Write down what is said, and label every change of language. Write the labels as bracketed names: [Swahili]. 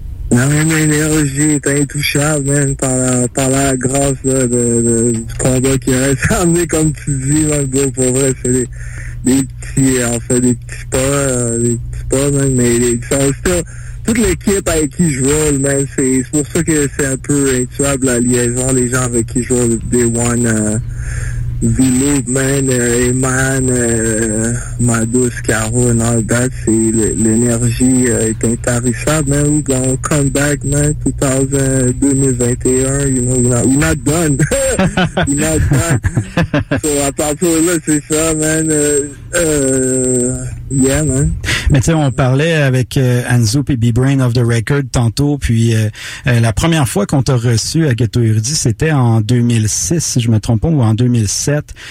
[French] La même énergie est intouchable, man, par la grâce là, du combat qui reste à amener, comme tu dis, man, bro, pour vrai, c'est des petits pas, man, mais c'est toute l'équipe avec qui je roule, man, c'est pour ça que c'est un peu intuable, la liaison, les gens avec qui je roule, Day One, V-Loop, man, Eman, Madouce, Caro, [English] and all that, [French] c'est l'énergie est intarissable, man. [English] We gonna come back, man, 2021, you know, we're not done. [French] So, à partir de là, c'est ça, man. [English] Yeah, man. [French] Mais tu sais, on parlait avec Anzu et B-Brain of the Record tantôt, puis la première fois qu'on t'a reçu à Ghetto Erudit, c'était en 2006, si je me trompe pas, ou en 2007.